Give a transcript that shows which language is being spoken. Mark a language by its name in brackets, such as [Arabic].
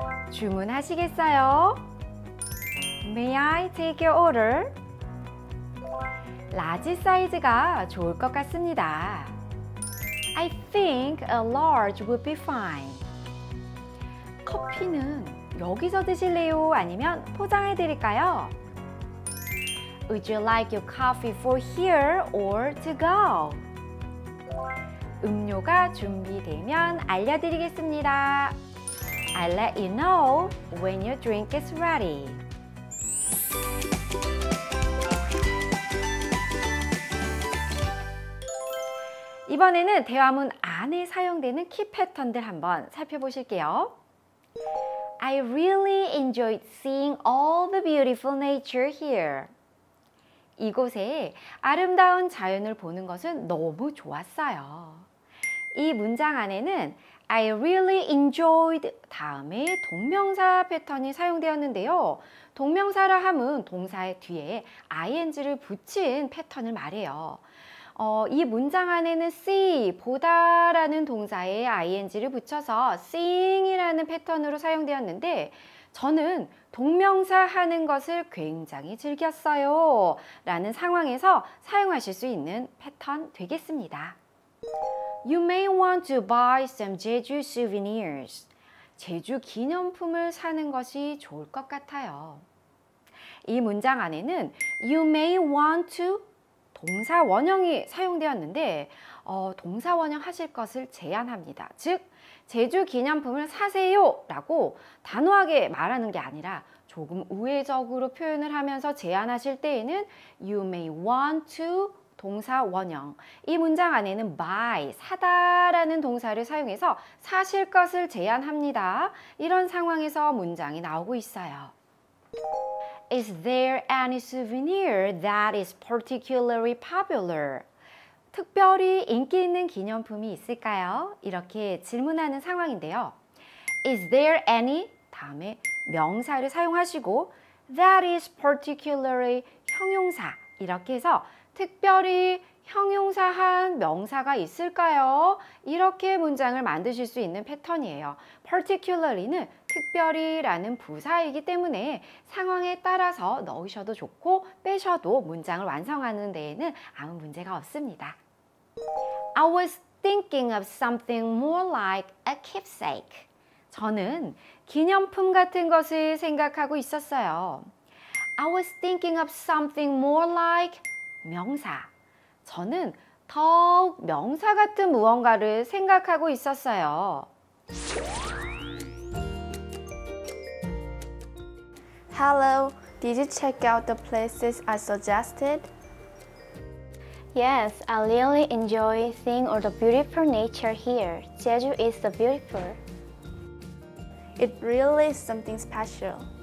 [Korean] 주문하시겠어요? [English] May I take your order? [Korean] 라지 사이즈가 좋을 것 같습니다. [English] I think a large would be fine. [Korean] 커피는 여기서 드실래요? 아니면 포장해 드릴까요? [English] Would you like your coffee for here or to go? [Korean] 음료가 준비되면 알려드리겠습니다. [English] I'll let you know when your drink is ready. [Korean] 이번에는 대화문 안에 사용되는 키 패턴들 한번 살펴보실게요. [English] I really enjoyed seeing all the beautiful nature here. [Korean] 이곳에 아름다운 자연을 보는 것은 너무 좋았어요. 이 문장 안에는 [English] I really enjoyed [Korean] 다음에 동명사 패턴이 사용되었는데요. 동명사라 함은 동사의 뒤에 ing를 붙인 패턴을 말해요. 이 문장 안에는 see, 보다라는 동사에 ing를 붙여서 seeing이라는 패턴으로 사용되었는데 저는 동명사 하는 것을 굉장히 즐겼어요 라는 상황에서 사용하실 수 있는 패턴 되겠습니다. [English] You may want to buy some Jeju souvenirs. [Korean] 제주 기념품을 사는 것이 좋을 것 같아요. 이 문장 안에는 [English] You may want to [Korean] 동사 원형이 사용되었는데 동사 원형 하실 것을 제안합니다. 즉, 제주 기념품을 사세요 라고 단호하게 말하는 게 아니라 조금 우회적으로 표현을 하면서 제안하실 때에는 [English] You may want to [Korean] 동사 원형 이 문장 안에는 buy, 사다 라는 동사를 사용해서 사실 것을 제안합니다. 이런 상황에서 문장이 나오고 있어요. [English] Is there any souvenir that is particularly popular? [Korean] 특별히 인기 있는 기념품이 있을까요? 이렇게 질문하는 상황인데요. [English] Is there any? [Korean] 다음에 명사를 사용하시고 [English] That is particularly [Korean] 형용사 이렇게 해서 특별히 형용사한 명사가 있을까요? 이렇게 문장을 만드실 수 있는 패턴이에요. Particularly는 특별히 라는 부사이기 때문에 상황에 따라서 넣으셔도 좋고 빼셔도 문장을 완성하는 데에는 아무 문제가 없습니다. [English] I was thinking of something more like a keepsake. [Korean] 저는 기념품 같은 것을 생각하고 있었어요. [English] I was thinking of something more like 명사. [Korean] 저는 더욱 명사 같은 무언가를 생각하고 있었어요. [English] Hello, did you check out the places I suggested? Yes, I really enjoy seeing all the beautiful nature here. Jeju is so beautiful. It really is something special.